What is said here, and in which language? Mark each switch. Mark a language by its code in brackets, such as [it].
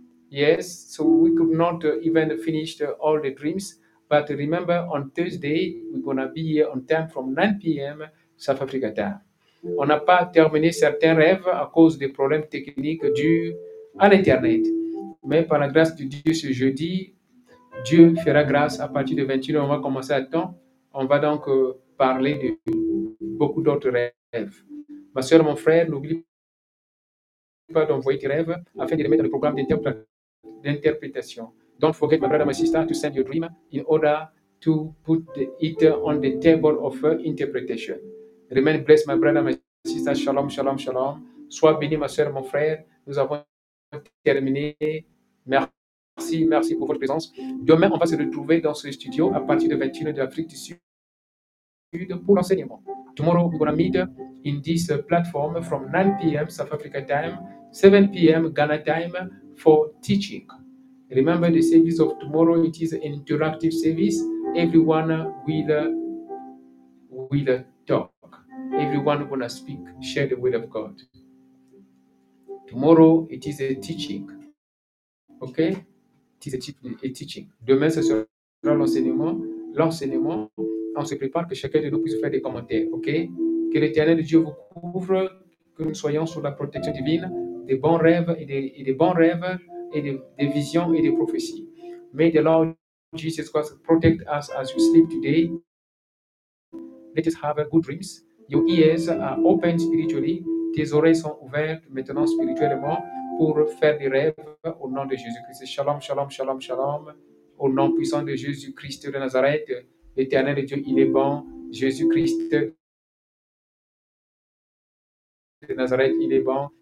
[en] Yes, so we could not even finish all the dreams. But remember, on Thursday, we're going to be here on time from 9 p.m. South Africa time. [fr] On n'a pas terminé certains rêves à cause des problèmes techniques dus à l'Internet. Mais par la grâce de Dieu, ce jeudi, Dieu fera grâce à partir de 21h. On va commencer à temps. On va donc parler de beaucoup d'autres rêves. Ma soeur, mon frère, n'oublie pas d'envoyer tes rêves afin de les mettre dans le programme d'interprétation. [en] Don't forget, my brother, my sister, to send your dream in order to put it on the table of interpretation. Remain blessed, my brother, my sister. Shalom, shalom, shalom. [fr] Sois béni, ma soeur, mon frère. Nous avons terminé. Merci, merci pour votre présence. Demain, on va se retrouver dans ce studio à partir de 21h de l'Afrique du Sud pour l'enseignement. [en] Tomorrow, we're going to meet in this platform from 9 p.m. South Africa time, 7 p.m. Ghana time for teaching. Remember the service of tomorrow, it is an interactive service. Everyone will talk. Everyone going to speak, share the word of God. Tomorrow, it is a teaching. Okay? It is a teaching. [fr] Demain, ce sera l'enseignement. L'enseignement, on se prépare que chacun de nous puisse faire des commentaires. Okay? Que l'Éternel Dieu vous couvre, que nous soyons sous la protection divine, des bons rêves et des visions et des prophéties. [en] May the Lord Jesus Christ protect us as you sleep today. Let us have a good dreams. Your ears are open spiritually. [fr] Tes oreilles sont ouvertes maintenant spirituellement pour faire des rêves au nom de Jésus-Christ. Shalom, shalom, shalom, shalom. Au nom puissant de Jésus-Christ de Nazareth, l'Éternel Dieu, il est bon. Jésus-Christ de Nazareth, il est bon.